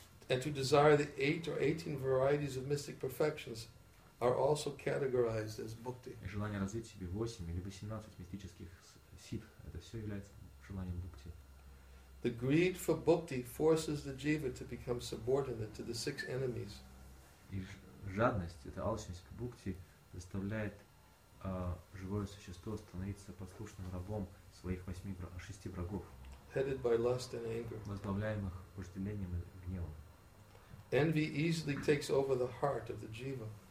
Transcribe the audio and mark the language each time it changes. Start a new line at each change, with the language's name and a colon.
English: and to desire the 8 or 18 varieties of mystic perfections are also categorized as bhakti.
Russian: И желание развить себе 8 или 18 мистических сид, это все является желанием бхакти.
English: The greed for bhakti forces the jiva to become subordinate to the 6 enemies.
Russian: И жадность, это алчность к бхакти, заставляет живое существо становиться послушным рабом своих 6 врагов.
English: Headed by lust and anger.
Russian: Возглавляемых вожделением и гневом.
English: Envy easily takes over the heart of the jiva.